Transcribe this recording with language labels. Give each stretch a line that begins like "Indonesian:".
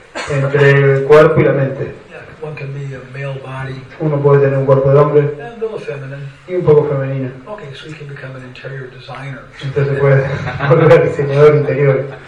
Spanish: entre el cuerpo y la mente.
English: One can be a male body.
Spanish: Uno puede tener un cuerpo de hombre.
English: And a little feminine.
Spanish: Y un poco femenina.
English: Okay, so you can become an interior designer.
Spanish: Entonces puede volver diseñador interior.